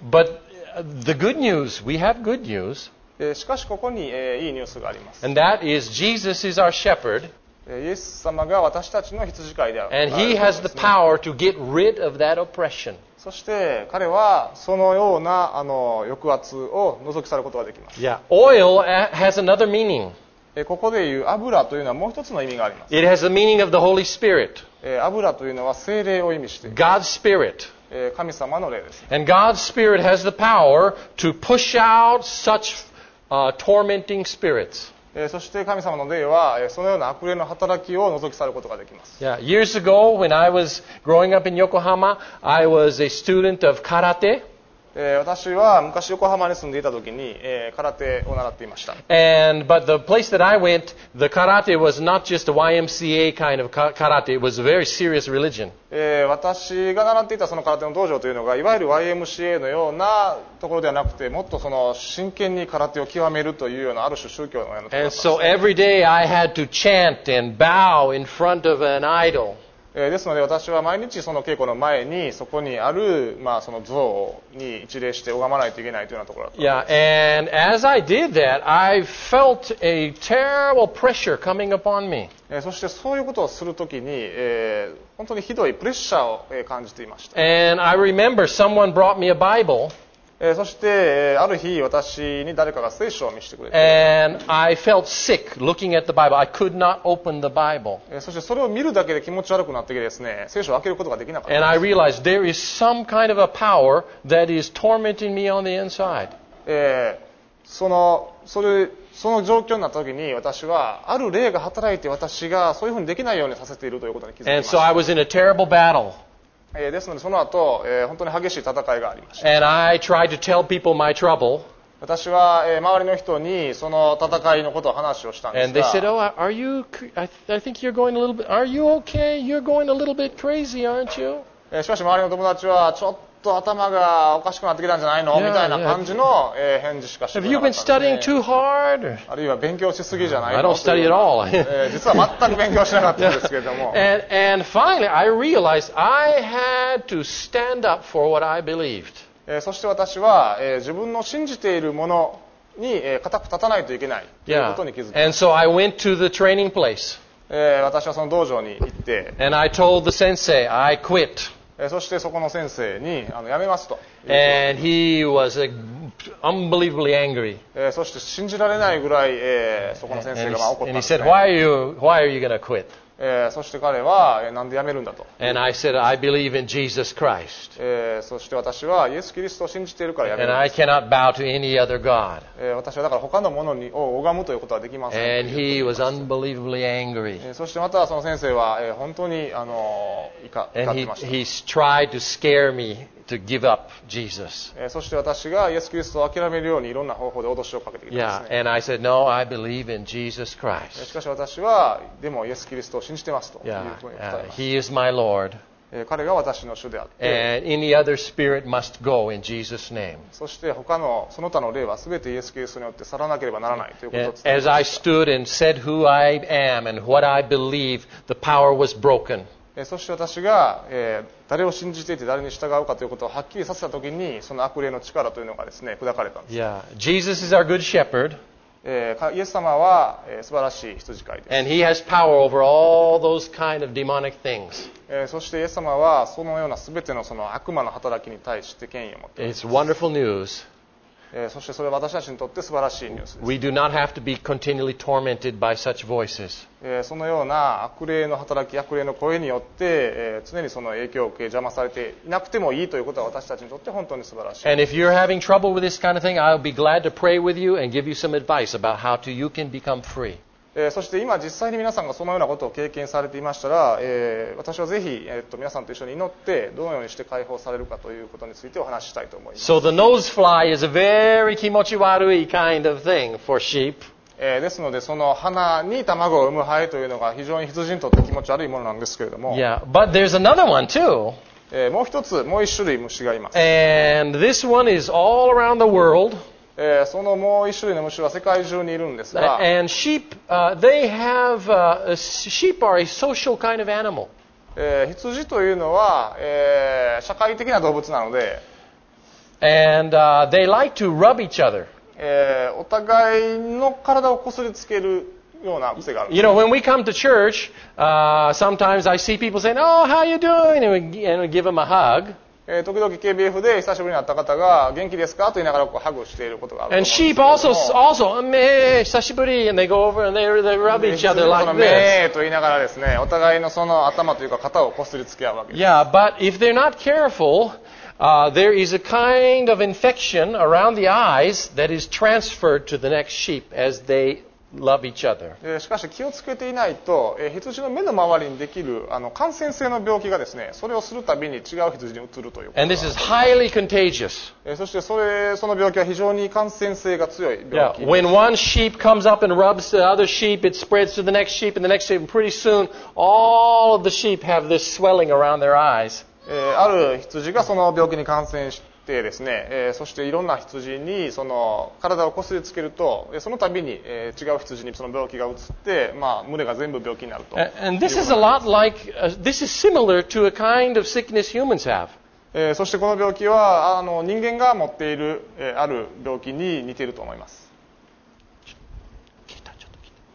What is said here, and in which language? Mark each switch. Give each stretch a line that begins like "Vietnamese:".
English: But the good news, we have good news.
Japanese: しかしここに、いいニュースがあります。
English: And that is Jesus is our shepherd.
Japanese: イエス様が私たちの羊飼いである。
English: And he has the power to get rid of that oppression.
Japanese: そして彼はそのような抑圧を除き去ることができます。
English: Yeah. Oil has another meaning.
Japanese: ここでいう油というのはもう一つの意味があります。
English: It has the meaning of the Holy Spirit.
Japanese: 油というのは聖霊を意味しています。
English: God's Spirit.
Japanese: 神様の霊です。
English: And God's Spirit has the power to push out such tormenting spirits.
Japanese: そして神様の霊はそのような悪霊の働きを除き去ることができます。
English: Yeah. Years ago, when I was growing up in Yokohama, I was a student of karate.
Japanese: 私は昔横浜に住んでいた時に、空手を習っていました。
English: And, but the place that I went, the karate was not just a YMCA kind of karate. It was a very serious religion.
Japanese: 私が習っていたその空手の道場というのが、いわゆる YMCA のようなところではなくて、もっとその真剣に空手を極めるというような、ある種宗教のようなところです。
English: And so every day I had to chant and bow in front of an idol.
Japanese: ですので私は毎日その稽古の前にそこにある、まあ、その像に一礼して拝まないといけないというようなところだったんです。
English: Yeah, and as I did that, I felt a terrible pressure coming upon me.
Japanese: そしてそういうことをするときに、本当にひどいプレッシャーを感じていました。
English: And I remember someone brought me a Bible.
Japanese: そしてある日私に誰かが聖書を見せてくれて、
English: And I felt sick looking at the Bible. I could not open the Bible.
Japanese: そしてそれを見るだけで気持ち悪くなってきてですね、聖書を開けることができなかった。
English: And I realized there is some kind of a power that is tormenting me on the inside.
Japanese: その状況になったときに私はある霊が働いて私がそういうふうにできないようにさせているということに気づきました。
English: And so I was in a terrible battle
Japanese: ですのでその後、本当に激しい戦いがありました。
English: And I tried to tell people my trouble.
Japanese: 私は、周りの人にその戦いのことを話をしたんですが、
English: And they said, "Oh, are you okay? You're going a little bit crazy, aren't you?"
Japanese: しかし周りの友達はちょっと頭がおかしくなってきたんじゃないの、yeah, みたいな感じの、yeah. 返事しかしてなかったんですね。
English: Have you been studying too hard?
Japanese: あるいは勉強しすぎじゃないの、
English: I don't study at all.
Japanese: 実は全く勉強しなかったんですけれども。
English: and finally I realized I had to stand up for what I believed.
Japanese: そして私は、自分の信じているものに、固く立たないといけないということに気づきました。
English: And so I went to the training place.
Japanese: 私はその道場に行って、
English: And I told the sensei, I quit.
Japanese: そしてそこの先生に辞めますと。
English: And he was unbelievably angry.
Japanese: そして信じられないぐらい、そこの先生が怒ったんですね。
English: And he said, why are you going to quit?
Japanese: そして彼は、なんで辞めるんだと。
English: And I said, I believe in Jesus Christ.
Japanese: そして私はイエス・キリストを信じているから辞めるんです。
English: And I cannot bow to any other God.
Japanese: 私はだから他のものを拝むということはできません。
English: And he was unbelievably angry.
Japanese: そしてまたその先生は、本当に怒ってました。
English: And he tried to scare me to give up Jesus.
Japanese: そして私がイエス・キリストを諦めるようにいろんな方法で脅しをかけてきたんですね。
English: Yeah, and I said, no, I believe in Jesus Christ.
Japanese: しかし私は、でもイエス・キリストを信じてますというふうに答えます。
English: Yeah, he is my Lord.
Japanese: 彼が私の主であって。
English: And any other spirit must go in Jesus' name.
Japanese: そして他のその他の霊は全てイエス・キリストによって去らなければならないということを伝えました
English: 。As I stood and said who I am and what I believe, the power was broken.
Japanese: そして私が誰を信じていて誰に従うかということをはっきりさせたときにその悪霊の力というのがですね砕かれたんです。
English: Yeah. Jesus is our good shepherd.
Japanese: イエス様は素晴らしい羊飼いです。
English: And he has power over all those kind of demonic things.
Japanese: そしてイエス様はそのような全てのその悪魔の働きに対して権威を持っています。
English: It's wonderful news.
Japanese: そしてそれは私たちにとって素晴らしいニュースです。
English: We do not have to be continually tormented by such voices.
Japanese: そのような悪霊の働き、悪霊の声によって、常にその影響を受け、邪魔されていなくてもいいということは私たちにとって本当に素晴らしい。
English: And if you're having trouble with this kind of thing, I'll be glad to pray with you and give you some advice about how to, you can become free.
Japanese: そして今実際に皆さんがそのようなことを経験されていましたら、私はぜひ、皆さんと一緒に祈ってどのようにして解放されるかということについてお話したいと思います。
English: So the nose fly is a very
Japanese: 気持ち悪い
English: kind of thing for sheep.
Japanese: ですのでその鼻に卵を産むハエというのが非常に羊にとって気持ち悪いものなんですけれども。
English: Yeah, but there's another one too.
Japanese: もう一つ、もう一種類虫がいます。
English: And this one is all around the world.
Japanese: そのもう一種類の虫は世界中にいるんですが、
English: And sheep, they have, sheep are a social kind of animal.
Japanese: 羊というのは、社会的な動物なので、
English: And, they like to rub each other.
Japanese: お互いの体をこすりつけるような癖がある。
English: You know, when we come to church, sometimes I see people saying, Oh, how you doing? And we give them a hug.
Japanese: 時々 KBF で久しぶりに会った方が元気ですかと言いながらこうハグをしていることがあると思うんですけども
English: And sheep also,
Japanese: 久しぶり
English: And they go over and they rub each other like this
Japanese: と言いながらですねお互いのその頭というか肩をこすりつけ合うわけです
English: Yeah, but if they're not careful, there is a kind of infection around the eyes that is transferred to the next sheep as theyLove each other.
Japanese: しかし気をつけていないと、羊の目の周りにできるあの感染性の病気がですね、それをするたびに違う羊に移るということ。
English: And this is highly contagious.
Japanese: そしてその病気は非常に感染性が強い病気です。
English: When one sheep comes up and rubs the other sheep, it spreads to the next sheep and the next sheep. And pretty soon, all of the sheep have this swelling around their eyes.
Japanese: ある羊がその病気に感染してですね、そしていろんな羊にその体をこすりつけると、その度に、違う羊にその病気が移って、まあ、胸が全部病気になると。
English: This is similar to a kind of sickness humans have.
Japanese: そしてこの病気は人間が持っている、ある病気に似ていると思います。聞いた、ちょっと聞いた。